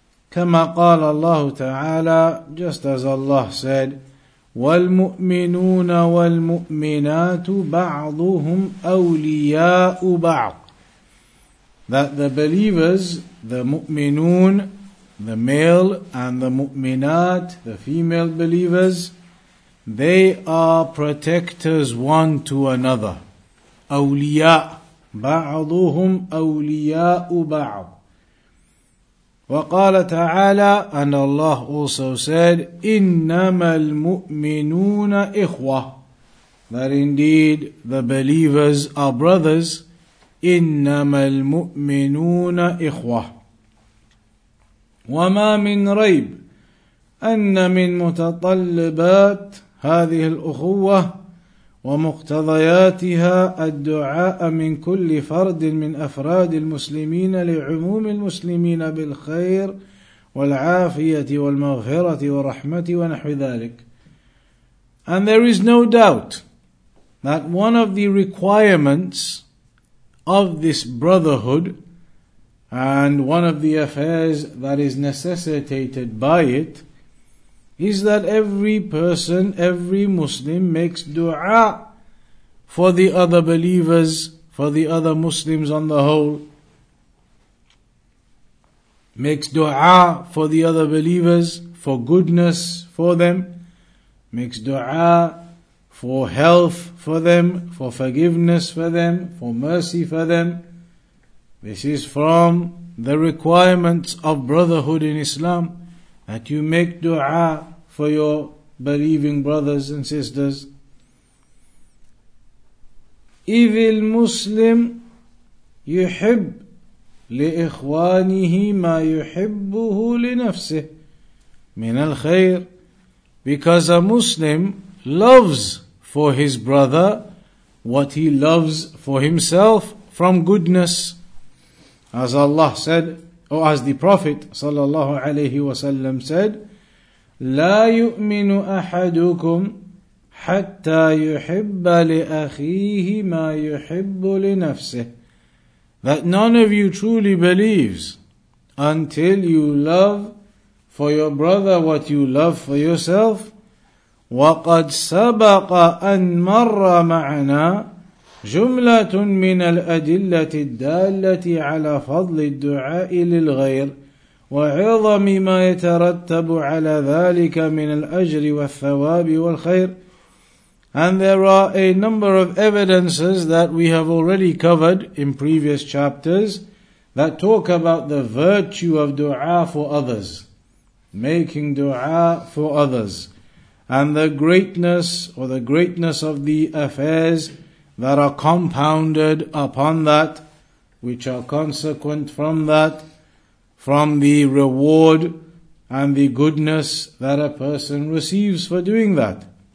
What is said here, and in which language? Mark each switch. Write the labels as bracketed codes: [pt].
[ar] كما قال الله تعالى, [en] just as Allah said, [ar] والمؤمنون والمؤمنات بعضهم أولياء بعض. [en] That the believers, the مؤمنون, the male, and the مؤمنات, the female believers, they are protectors one to another. [ar] أولياء بعضهم أولياء بعض. وقال تعالى, [en] and Allah also said, [ar] إنما المؤمنون إخوة. [en] That indeed the believers are brothers. [ar] إنما المؤمنون إخوة. وما من ريب أن من متطلبات هذه الأخوة ومقتضياتها الدعاء من كل فرد من أفراد المسلمين لعموم المسلمين بالخير والعافية والمغفرة والرحمة ونحو ذلك. [en] And there is no doubt that one of the requirements of this brotherhood and one of the affairs that is necessitated by it is that every person, every Muslim makes dua for the other believers, for the other Muslims on the whole. Makes dua for the other believers, for goodness for them. Makes dua for health for them, for forgiveness for them, for mercy for them. This is from the requirements of brotherhood in Islam, that you make dua for your believing brothers and sisters. [ar] إذ المسلم يحب لإخوانه ما يحبه لنفسه من الخير. [en] Because a Muslim loves for his brother what he loves for himself from goodness. As Allah said, or as the Prophet [ar] صلى الله عليه وسلم [en] said, [ar] لا يؤمن أحدكم حتى يحب لأخيه ما يحب لنفسه. [en] That none of you truly believes until you love for your brother what you love for yourself. [ar] وقد سبق أن مر معنا جملة من الأدلة الدالة على فضل الدعاء للغير وعظم ما يترتب على ذلك من الأجر والثواب والخير. [en] And there are a number of evidences that we have already covered in previous chapters that talk about the virtue of dua for others, making dua for others. and the greatness or the greatness of the affairs that are compounded upon that, which are consequent from that, from the reward and the goodness that a person receives for doing that.